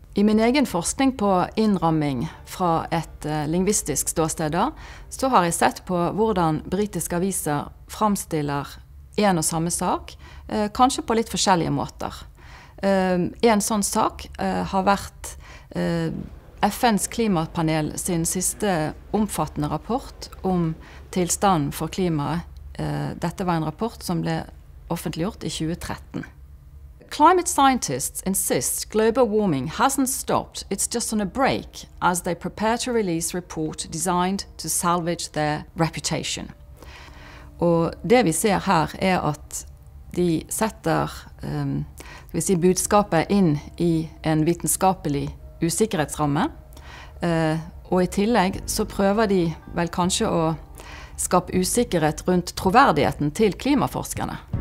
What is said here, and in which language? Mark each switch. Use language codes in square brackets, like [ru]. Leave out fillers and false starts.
[no] I min egen forskning på innramming fra et lingvistisk ståsted, så har jeg sett på hvordan britiske aviser framstiller en og samme sak, kanskje på litt forskjellige måter. En sånn sak har vært FNs klimapanel sin siste omfattende rapport om tilstanden for klimaet. Dette var en rapport som ble offentliggjort I 2013. [en] Climate scientists insist global warming hasn't stopped, it's just on a break, as they prepare to release report designed to salvage their reputation. [no] Og det vi ser her at de setter budskapet inn I en vitenskapelig usikkerhetsramme, og I tillegg så prøver de vel kanskje å skap usikkerhet rundt troverdigheten til klimaforskerne.